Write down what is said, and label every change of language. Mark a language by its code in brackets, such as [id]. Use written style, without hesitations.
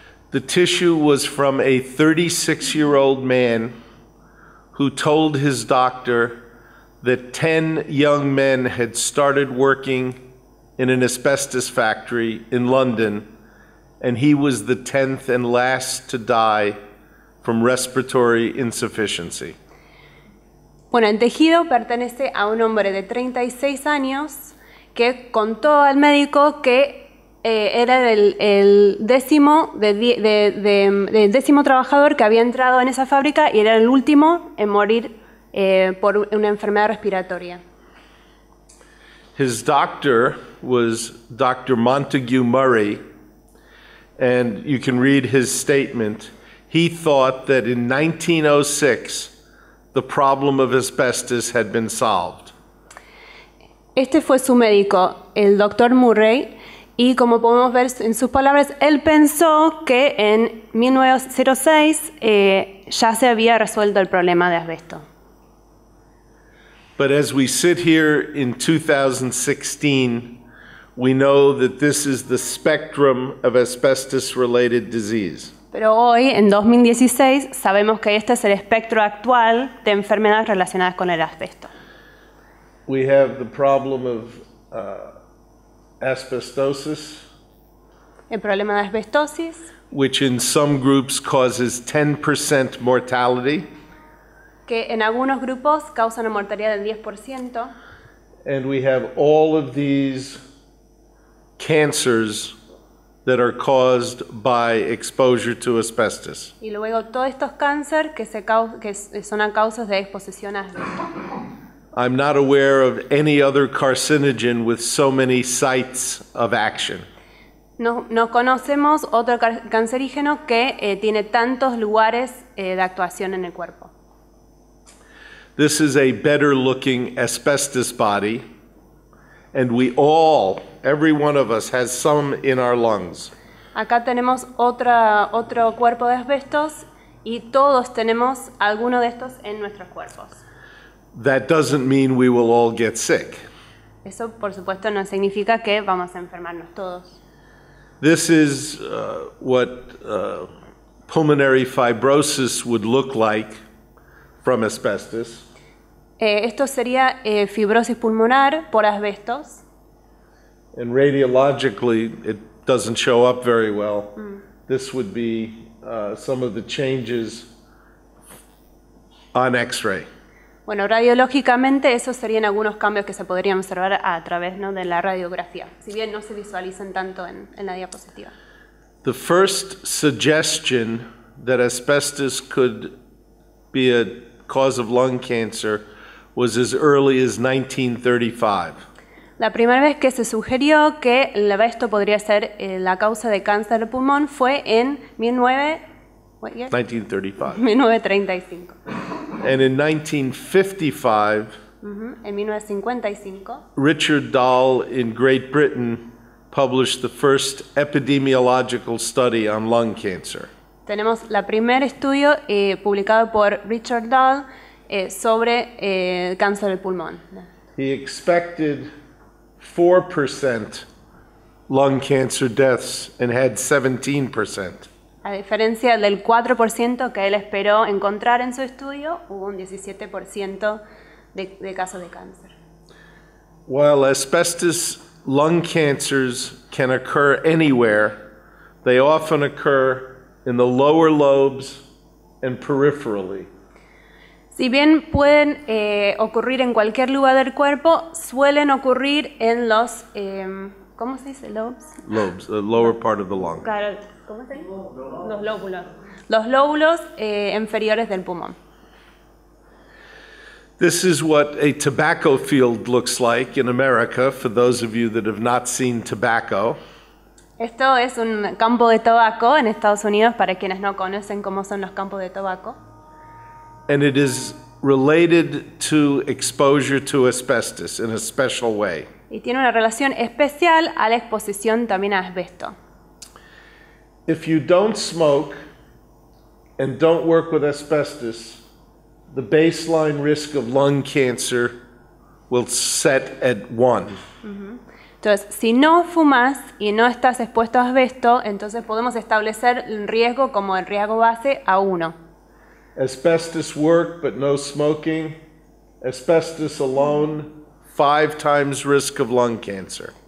[en] The tissue was from a 36-year-old man who told his doctor that 10 young men had started working in an asbestos factory in London, and he was the 10th and last to die from respiratory insufficiency. [es] Bueno, el tejido pertenece a un hombre de 36 años que contó al médico que era el décimo décimo trabajador que había entrado en esa fábrica y era el último en morir por una enfermedad respiratoria. [en] His doctor was Dr. Montague Murray, and you can read his statement. He thought that in 1906 the problem of asbestos had been solved. [es] Este fue su médico, el Dr. Murray, y como podemos ver en sus palabras, él pensó que en 1906 ya se había resuelto el problema de asbestos. [en] But as we sit here in 2016, we know that this is the spectrum of asbestos-related disease. [es] Pero hoy, en 2016, sabemos que este es el espectro actual de enfermedades relacionadas con el asbesto. [en] We have the problem of asbestosis. [es] El problema de asbestosis. [en] Which in some groups causes 10% mortality. [es] Que en algunos grupos causan una mortalidad del 10%. [en] And we have all of these cancers that are caused by exposure to asbestos. [es] Y luego todos estos cánceres que son a causas de exposición a asbestos. [en] I'm not aware of any other carcinogen with so many sites of action. [es] No conocemos otro cancerígeno que tiene tantos lugares de actuación en el cuerpo. [en] This is a better looking asbestos body, and we all, every one of us, has some in our lungs. [es] Acá tenemos otro cuerpo de asbestos, y todos tenemos alguno de estos en nuestros cuerpos. [en] That doesn't mean we will all get sick. [es] Eso, por supuesto, no significa que vamos a enfermarnos todos. [en] This is what pulmonary fibrosis would look like from asbestos. [es] Esto sería fibrosis pulmonar por asbestos. [en] And radiologically, it doesn't show up very well. This would be some of the changes on X-ray. [es] Bueno, radiológicamente, esos serían algunos cambios que se podrían observar a través, ¿no?, de la radiografía, si bien no se visualizan tanto en la diapositiva. [en] The first suggestion that asbestos could be a cause of lung cancer was as early as 1935. [es] La primera vez que se sugirió que el asbesto podría ser la causa de cáncer de pulmón fue en 1935. [en] And in 1955, [es] en 1955, [en] Richard Dahl in Great Britain published the first epidemiological study on lung cancer. [es] Tenemos la primer estudio publicado por Richard Dahl sobre el cáncer del pulmón. [en] He expected 4% lung cancer deaths and had 17%. [es] A diferencia del 4% que él esperó encontrar en su estudio, hubo un 17% de casos de cáncer. [en] While asbestos lung cancers can occur anywhere, they often occur in the lower lobes and peripherally. [es] Si bien pueden ocurrir en cualquier lugar del cuerpo, suelen ocurrir en los ¿Cómo se dice? Lobes. [en] Lobes, the lower part of the lung. [es] Claro, ¿cómo se dice? Los lóbulos. Los lóbulos inferiores del pulmón. [en] This is what a tobacco field looks like in America, for those of you that have not seen tobacco. [es] Esto es un campo de tabaco en Estados Unidos, para quienes no conocen cómo son los campos de tabaco. [en] And it is related to exposure to asbestos in a special way. [es] Y tiene una relación especial a la exposición también a asbesto. [en] If you don't smoke and don't work with asbestos, the baseline risk of lung cancer will set at 1. [es] Entonces, si no fumas y no estás expuesto a asbesto, entonces podemos establecer el riesgo como el riesgo base a 1. [en] Asbestos work, but no smoking. Asbestos alone, 5 times risk of lung cancer.